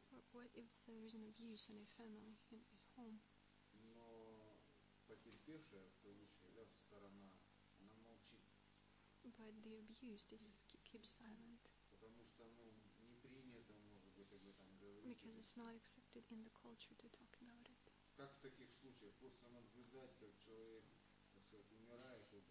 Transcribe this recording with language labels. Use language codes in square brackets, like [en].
[en] What if there is an abuse in a family, in a home? [ru] Но потерпевшая, в том числе, сторона, она молчит. [en] But the abused is keeps silent. [ru] Потому что, ну, не принято, может быть, об этом говорить. [en] Because it's not accepted in the culture to talk about it. [ru] Как в таких случаях? Просто наблюдать, как человек, так сказать, умирает,